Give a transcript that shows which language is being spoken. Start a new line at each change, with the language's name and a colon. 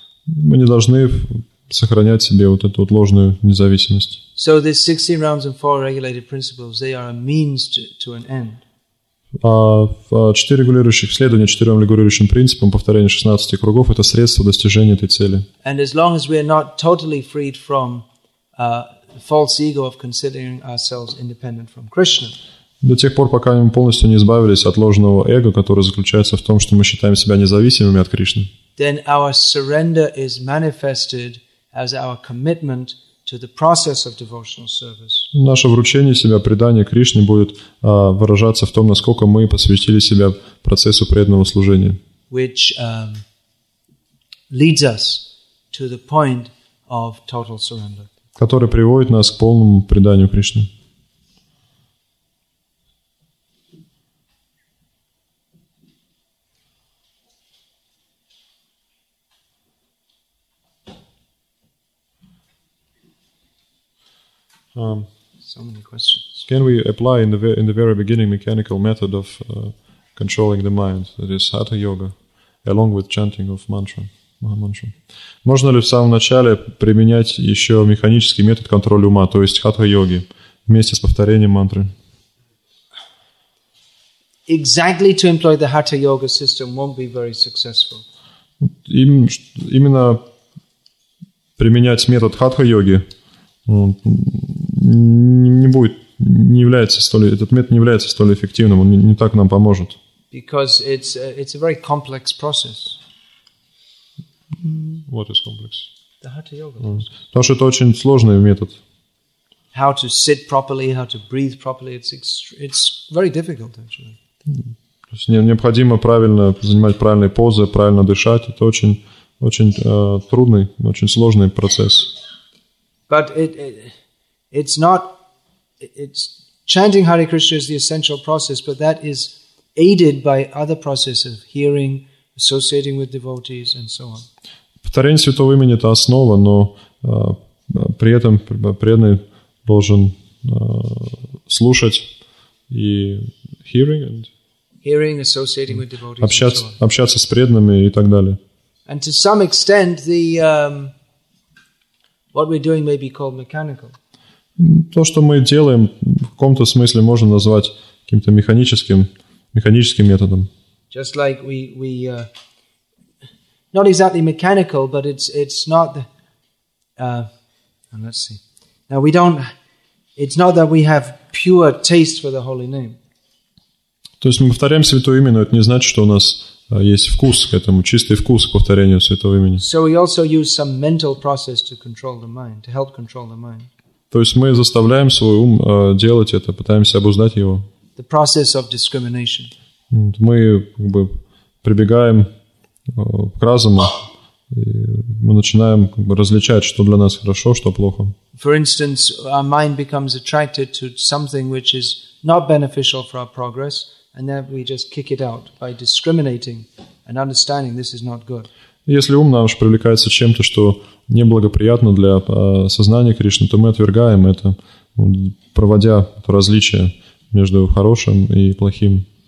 Russian: Мы не должны сохранять себе вот эту вот ложную независимость.
English: So these 16 realms and four regulated principles, they are a means to an end.
Russian: Четыре регулирующих следования четырем регулирующим принципам, повторение 16 кругов, это средство достижения этой цели.
English: And as long as we are not totally freed from false ego of considering ourselves independent from Krishna.
Russian: До тех пор, пока мы полностью не избавились от ложного эго, которое заключается в том, что мы считаем себя независимыми от Кришны.
English: Then our surrender is manifested as our commitment to the process of devotional service.
Russian: Наше вручение себя, предание Кришне будет выражаться в том, насколько мы посвятили себя процессу преданного служения.
English: Which leads us to the point of total surrender.
Russian: Который приводит нас к полному преданию Кришне.
English: Um, So many questions. Can we apply in the very beginning mechanical method of controlling the mind, that is Hatha Yoga, along with chanting of mantra, Maha Mantra?
Russian: Можно ли в самом начале применять еще механический метод контроля ума, то есть Хатха Йоги, вместе с повторением мантры?
English: Exactly to employ the Hatha Yoga system won't be very successful.
Russian: Именно применять метод Хатха Йоги не будет, не является столь, этот метод не является столь эффективным, он не так нам поможет.
English: Because it's a very complex process. What is complex? The Hatha Yoga.
Russian: Потому что это очень сложный метод. How to sit properly, how to breathe properly, it's very difficult actually. То есть необходимо правильно занимать правильные позы, правильно дышать. Это очень, очень трудный, очень сложный процесс.
English: But it's chanting Hare Krishna is the essential process, but that is aided by other processes of hearing, associating with devotees, and so on.
Russian: Повторение святого имени — это основа, но при этом преданный должен слушать и
English: hearing and hearing, associating with devotees,
Russian: общаться, общаться с преданными и так далее.
English: And to some extent, the what we're doing may be called mechanical.
Russian: То, что мы делаем, в каком-то смысле можно назвать каким-то механическим методом.
English: Just like we not exactly mechanical, but it's not the, and let's see. Now we don't. It's not that we have pure taste for the holy name.
Russian: То есть мы повторяем святое имя, но это не значит, что у нас есть вкус к этому, чистый вкус к повторению святого имени.
English: So we also use some mental process to control the mind, to help control the mind.
Russian: То есть мы заставляем свой ум делать это, пытаемся обуздать его.
English: The process of discrimination.
Russian: Мы как бы прибегаем к разуму, и мы начинаем как бы различать, что для нас хорошо, что плохо.
English: For instance, our mind becomes attracted to something which is not beneficial for our progress, and then we just kick it out by discriminating and understanding this is not good.
Russian: Если ум наш привлекается чем-то, что неблагоприятно для сознания Кришны, то мы отвергаем это, проводя это различие между хорошим и плохим.